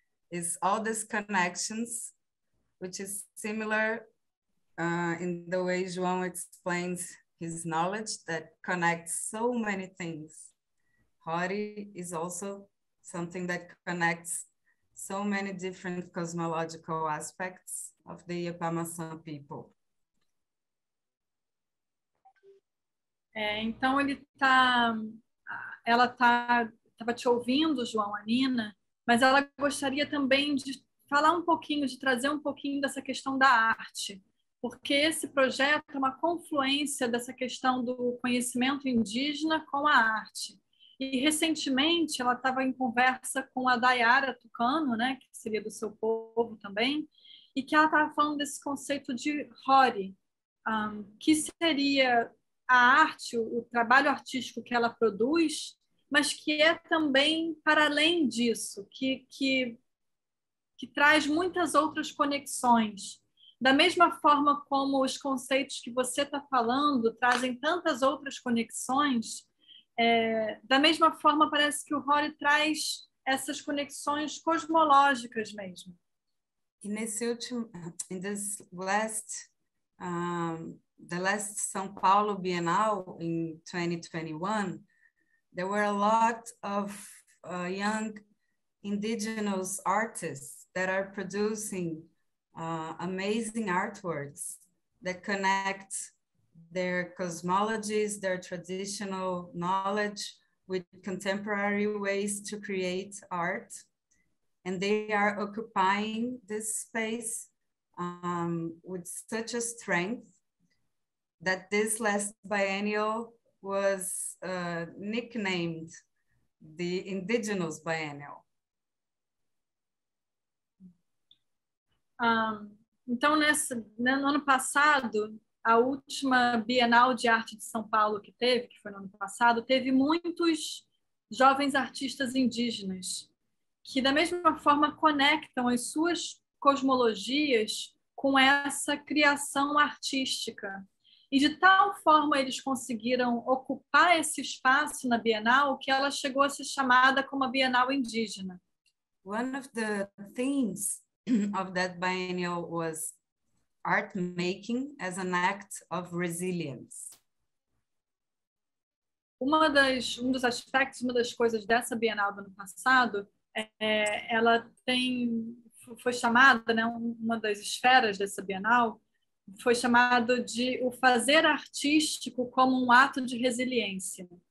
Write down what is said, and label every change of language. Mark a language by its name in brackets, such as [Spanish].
[English] Is all these connections, which is similar in the way João explains his knowledge that connects so many things. Hori is also something that connects so many different cosmological aspects of the Yupamasan people. [Portuguese] Então ele tá, ela tá, tava te ouvindo, João, a Nina. Mas ela gostaria também de falar um pouquinho, de trazer um pouquinho dessa questão da arte, porque esse projeto é uma confluência dessa questão do conhecimento indígena com a arte. E, recentemente, ela estava em conversa com a Dayara Tucano, né, que seria do seu povo também, e que ela estava falando desse conceito de Hori, que seria a arte, o trabalho artístico que ela produz, mas que é também para além disso, que traz muitas outras conexões. Da mesma forma como os conceitos que você está falando trazem tantas outras conexões, da mesma forma parece que o Rory traz essas conexões cosmológicas mesmo. E nesse último, [English] in this last, the last São Paulo Bienal in 2021, there were a lot of young indigenous artists that are producing amazing artworks that connect their cosmologies, their traditional knowledge with contemporary ways to create art. And they are occupying this space with such a strength that this last biennial was nicknamed the Indigenous Biennial. [Portuguese] Então, no ano passado, a última Bienal de Arte de São Paulo que teve, que foi no ano passado, teve muitos jovens artistas indígenas que, da mesma forma, conectam as suas cosmologias com essa criação artística. E de tal forma eles conseguiram ocupar esse espaço na Bienal que ela chegou a ser chamada como a Bienal Indígena. [English] One of the themes of that biennial was art making as an act of resilience. [Portuguese] Uma das coisas dessa Bienal do ano passado, ela tem, foi chamada, né, uma das esferas dessa Bienal, foi chamado de o fazer artístico como um ato de resiliência.